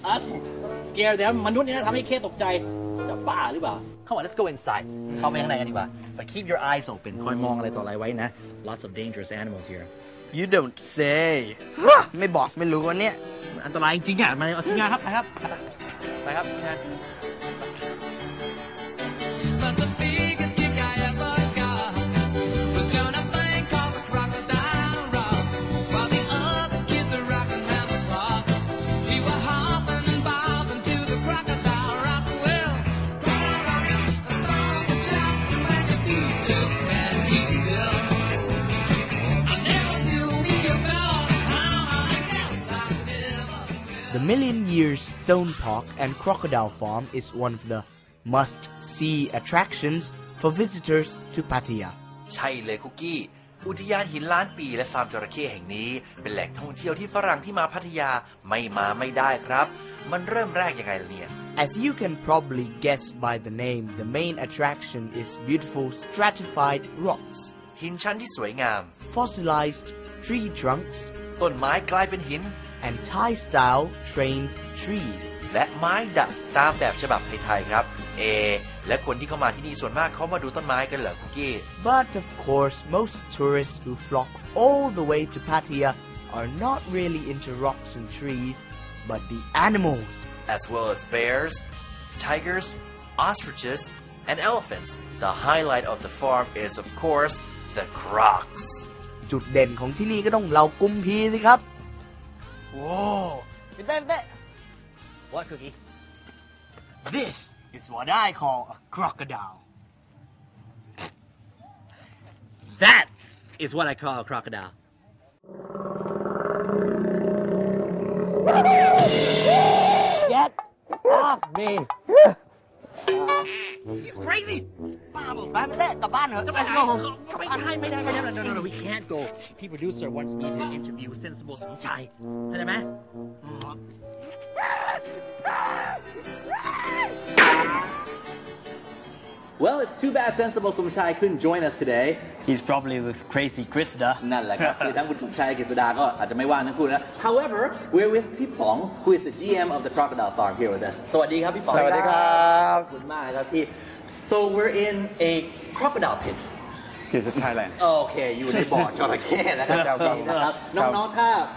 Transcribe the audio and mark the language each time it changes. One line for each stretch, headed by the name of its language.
English: us scare them
Thai: มนุษย์นี่นะทำให้เข้ตกใจจะบ้าหรือเปล่า
English: come on let's go inside
Thai: เข้าไปข้างในกันดีกว่า
English: but keep your eyes open
Thai: คอยมองอะไรต่ออะไรไว้นะ
English: lots of dangerous animals here you don't say
Thai: ไม่บอกไม่รู้วันเนี้ย อันตรายจริงๆอ่ะมาเอาทีมงานครับไปครับ
English: Thank you. But the biggest gift I ever got was gonna bank on the crocodile rock. While the other kids were rocking round the clock, we were hopping and bobbing to the crocodile rock. Well, rock and roll, a song and shout to make a few dudes stand still. I never knew me about time. I guess I never will. The Million Years. Stone Park and Crocodile Farm is one of the must-see attractions for visitors to Pattaya.
Thai: ใช่เลยคุกกี้อุทยานหินล้านปีและฟาร์มจระเข้แห่งนี้เป็นแหล่งท่องเที่ยวที่ฝรั่งที่มาพัทยาไม่มาไม่ได้ครับมันเริ่มแรกยังไงล่ะเนี่ย
English: As you can probably guess by the name, the main attraction is beautiful stratified rocks.
Thai: หินชั้นที่สวยงาม
English: Fossilized tree trunks.
Thai: ต้นไม้กลายเป็นหิน
English: and Thai style trained trees
Thai: และไม้ดัดตามแบบฉบับไทยๆครับเอและคนที่เข้ามาที่นี่ส่วนมากเขามาดูต้นไม้กันเหรอคุกกี้
English: but of course most tourists who flock all the way to Pattaya are not really into rocks and trees but the animals as well as bears tigers ostriches and elephants the highlight of the farm is of course the crocs
Thai: จุดเด่นของที่นี่ก็ต้องเหล่ากุมพีสิครับ ว้าวไปเต้นเต้น
English: What cookie This is what I call a crocodile That is what I call a crocodile Get off me You crazy
Thai: ไปไม่ได้กลับบ้านเหรอ กลับไปไหนไปไหนไม่ได้ไม่ได้
English: no we can't go พี่ producer wants me to interview sensible สมชาย
Thai: เข้าใจไหม
English: well it's too bad sensible สมชาย couldn't join us today he's probably with crazy Krista
Thai: นั่นแหละครับคือทั้งคุณสมชายกฤษดาก็อาจจะไม่ว่างทั้งคู่นะ
English: however we're with พี่ป๋อง who is the GM of the crocodile farm here with us
Thai: สวัสดีครับพี่ป๋อง สวัสดีครับ ขอบคุณมากครับที่
English: So we're in a crocodile pit. Yes, in Thailand. Okay, you're in a bar,
Thai: จระเข้นะครับ น้องๆถ้า